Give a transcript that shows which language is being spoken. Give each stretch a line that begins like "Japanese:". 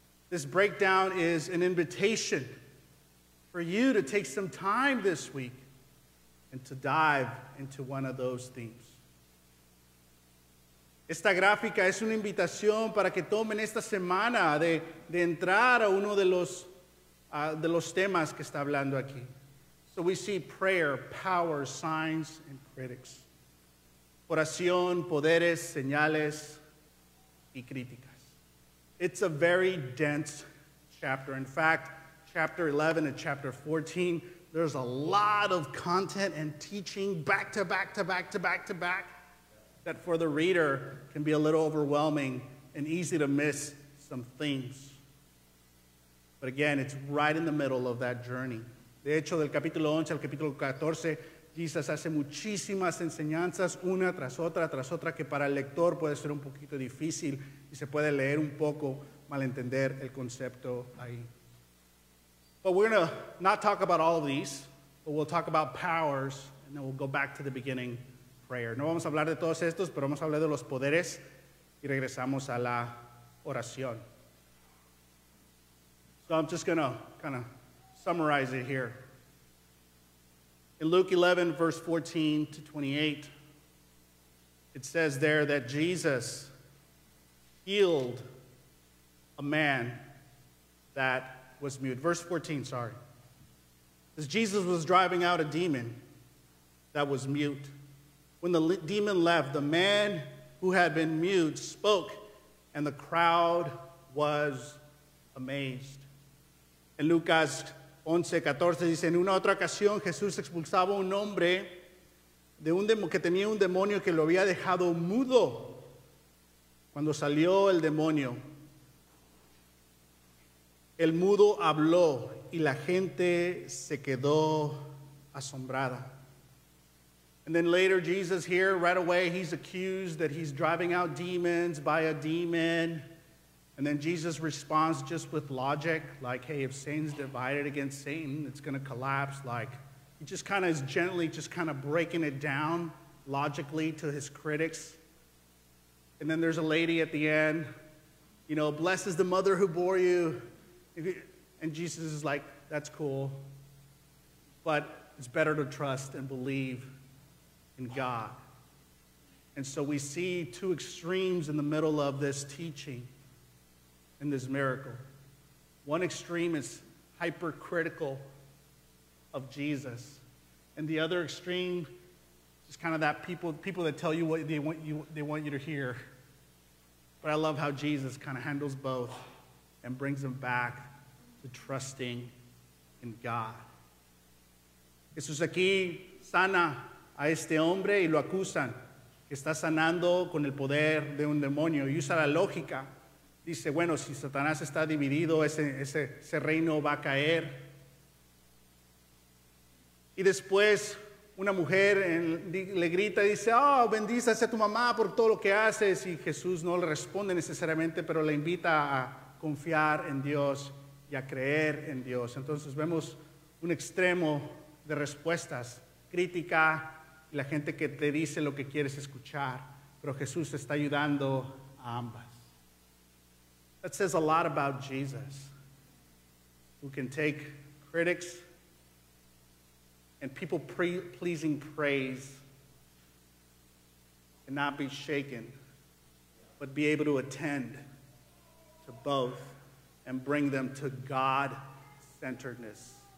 English: This breakdown is an invitation for you to take some time this week and to dive into one of those themes.
Spanish: Esta gráfica es una invitación para que tomen esta semana de entrar a uno de los temas que está hablando aquí.
English: So we see prayer, power, signs, and critics.
Spanish: Oración, poderes, señales y críticas.
English: It's a very dense chapter. In fact, chapter 11 and chapter 14, there's a lot of content and teaching back to back to back to back to back that for the reader can be a little overwhelming and easy to miss some things. But again, it's right in the middle of that journey.
Spanish: De hecho, del capítulo 11 al capítulo 14, Jesús hace muchísimas enseñanzas, una tras otra, que para el lector puede ser un poquito difícil y se puede leer un poco, malentender el concepto ahí.
English: But we're going to not talk about all of these, but we'll talk about powers, and then we'll go back to the beginning, prayer.
Spanish: No vamos a hablar de todos estos, pero vamos a hablar de los poderes y regresamos a la oración.
English: So I'm just going to kind of summarize it here. In Luke 11, verse 14 to 28, it says there that Jesus healed a man that was mute. Verse 14, sorry. As Jesus was driving out a demon that was mute. When the demon left, the man who had been mute spoke, and the crowd was amazed. And Luke asked,
Spanish: 11:14 dice, en una otra ocasión Jesús expulsaba un hombre que tenía un demonio que lo había dejado mudo. Cuando salió el demonio, el mudo habló y la gente se quedó asombrada.
English: And then later Jesus here, right away, he's accused that he's driving out demons by a demon. And then Jesus responds just with logic, like, hey, if Satan's divided against Satan, it's going to collapse. Like, he just kind of is gently just kind of breaking it down logically to his critics. And then there's a lady at the end, you know, blesses the mother who bore you. And Jesus is like, that's cool. But it's better to trust and believe in God. And so we see two extremes in the middle of this teaching. In this miracle, one extreme is hypercritical of Jesus, and the other extreme is kind of that people that tell you what they want you to hear. But I love how Jesus kind of handles both and brings them back to trusting in God.
Spanish: Jesús aquí sana a este hombre y lo acusan que está sanando con el poder de un demonio. Usa la lógica. Dice, bueno, si Satanás está dividido, ese reino va a caer. Y después, una mujer le grita, dice, oh, bendícese a tu mamá por todo lo que haces. Y Jesús no le responde necesariamente, pero le invita a confiar en Dios y a creer en Dios. Entonces vemos un extremo de respuestas, crítica, y la gente que te dice lo que quieres escuchar, pero Jesús está ayudando a ambas.
English: That says a lot about Jesus, who can take critics and people pleasing praise and not be shaken, but be able to attend to both and bring them to God-centeredness.